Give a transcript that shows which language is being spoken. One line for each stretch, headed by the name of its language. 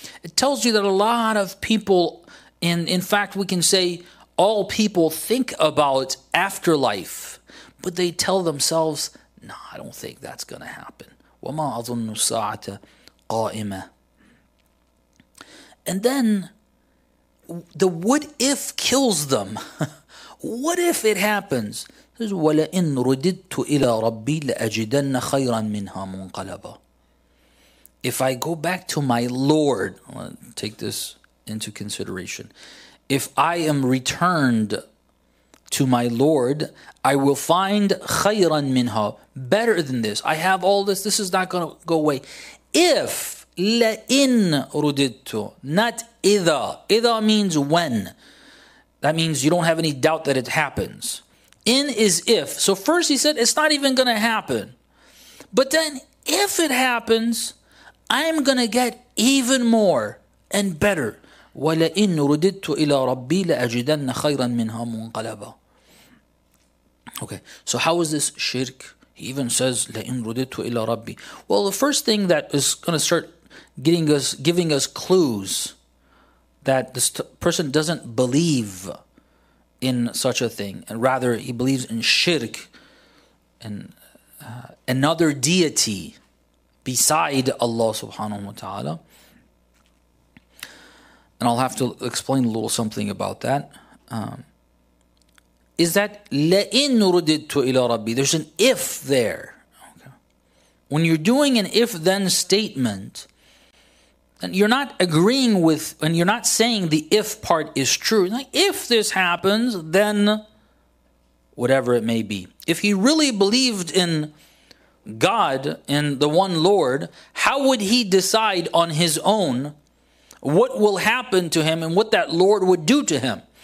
English: It tells you that a lot of people, and in fact, we can say all people think about afterlife, but they tell themselves, no, I don't think that's going to happen.
Arabic: وَمَا أَظُنُّ السَّاعَةَ قَائِمَةً.
English: And then the what if kills them. What if it happens? It says,
Arabic: وَلَئِنْ رُدِدْتُ إِلَىٰ رَبِّي لَأَجِدَنَّ خَيْرًا مِنْهَا مُنْقَلَبًا.
English: If I go back to my Lord, take this into consideration. If I am returned to my Lord, I will find
Arabic: خَيْرًا مِنْهَا,
English: better than this. I have all this. This is not going to go away.
Arabic: If لَإِنْ رُدِدْتُ, not إِذَا.
English: إِذَا means when. That means you don't have any doubt that it happens. In is if. So first he said, it's not even going to happen. But then if it happens, I'm going to get even more and better.
Arabic: وَلَإِنْ رُدِدْتُ إِلَىٰ رَبِّي لَأَجِدَنَّ خَيْرًا مِنْهَا مُنْقَلَبًا.
English: Okay, so how is this shirk? He even says,
Arabic: لَإِنْ رُدِدْتُ إِلَىٰ رَبِّي.
English: Well, the first thing that is going to start giving us clues that this person doesn't believe in such a thing, and rather he believes in shirk, and another deity beside Allah subhanahu wa ta'ala. And I'll have to explain a little something about that. Is that
Arabic: لَإِن رُدِدْتُ إِلَىٰ رَبِّي.
English: There's an if there. Okay. When you're doing an if-then statement, and you're not agreeing with, and you're not saying the if part is true. Like, if this happens, then whatever it may be. If he really believed in God, in the one Lord, how would he decide on his own what will happen to him and what that Lord would do to him?